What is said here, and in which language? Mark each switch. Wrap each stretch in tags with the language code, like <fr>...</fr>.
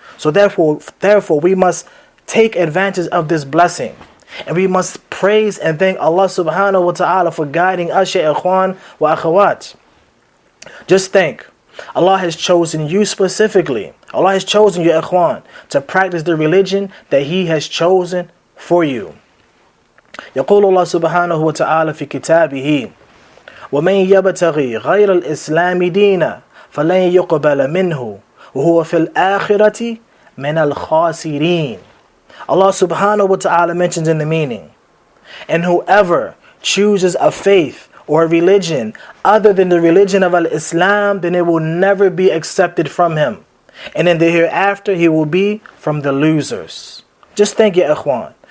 <en>So therefore we must take advantage of this blessing, and we must praise and thank Allah subhanahu wa ta'ala for guiding us,</en> <ar>ya ikhwan wa akhawat.</ar> <en>Just think, Allah has chosen you specifically Allah has chosen you, ikhwan, to practice the religion that He has chosen for you.</en> <ar>يقول الله سبحانه وتعالى في كتابه ومن يبتغي غير الإسلام دينا فلن يقبل منه وهو في الآخرة من الخاسرين.</ar> <en>Allah subhanahu wa ta'ala mentions in the meaning, and whoever chooses a faith or a religion other than the religion of al-Islam, then it will never be accepted from him. And in the hereafter, he will be from the losers. Just think,</en> <ar>ya ikhwan.</ar>